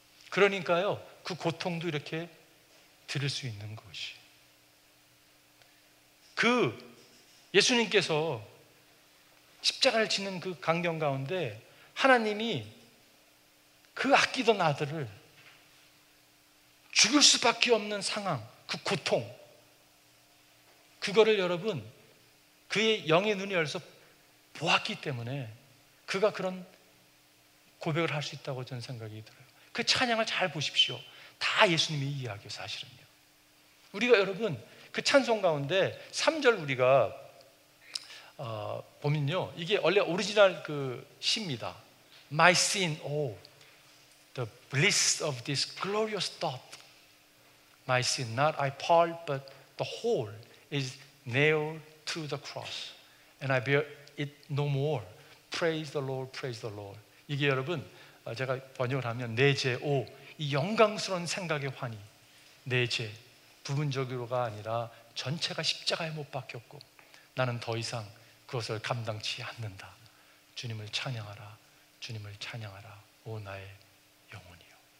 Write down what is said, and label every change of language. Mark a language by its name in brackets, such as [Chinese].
[Korean] 그러니까요 그 고통도 이렇게 들을 수 있는 것이 그 예수님께서 십자가를 치는 그 광경 가운데 하나님이 그 아끼던 아들을 죽을 수밖에 없는 상황, 그 고통 그거를 여러분 그의 영의 눈이 열려서 보았기 때문에 그가 그런 고백을 할 수 있다고 저는 생각이 들어요. 그 찬양을 잘 보십시오. 다 예수님이 이야기예요, 사실은요. 우리가 여러분 그 찬송 가운데 3절 우리가 보면요 이게 원래 오리지널 그 시입니다. [English] My sin, oh, the bliss of this glorious thought. My sin, not I part, but the whole is nailed to the cross, and I bear it no more. Praise the Lord, praise the Lord. [Korean] 이게 여러분 제가 번역을 하면 내 죄, 오, 이 영광스러운 생각의 환희, 내 죄, 부분적으로가 아니라 전체가 십자가에 못 박혔고 나는 더 이상 그것을 감당치 않는다. 주님을 찬양하라, 주님을 찬양하라, 오 나의 영혼이요.